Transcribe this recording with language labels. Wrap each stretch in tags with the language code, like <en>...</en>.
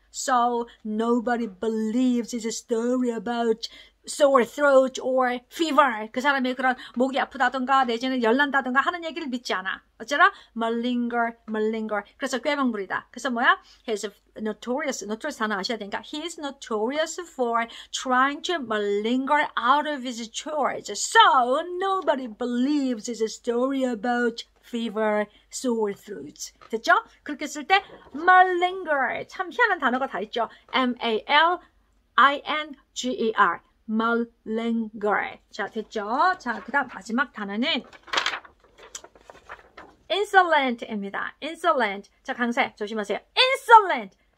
<en>so nobody believes his story about sore throat or fever.</en> <ko>그 사람이 그런 목이 아프다든가 내지는 열난다든가 하는 얘기를 믿지 않아. 어쩌나? malinger, malinger. 그래서 꾀병불이다. 그래서 뭐야?</ko> <en>he's notorious. notorious</en> <ko>단어 아셔야 되니까</ko> <en>he's notorious for trying to malinger out of his chores. so nobody believes his story about fever, sore throat.</en> <ko>됐죠? 그렇게 쓸 때 malinger. 참 희한한 단어가 다 있죠. m-a-l-i-n-g-e-r. malinger. 자, 됐죠? 자, 그 다음 마지막 단어는 insolent입니다. insolent. 자, 강세 조심하세요. insolent.</ko>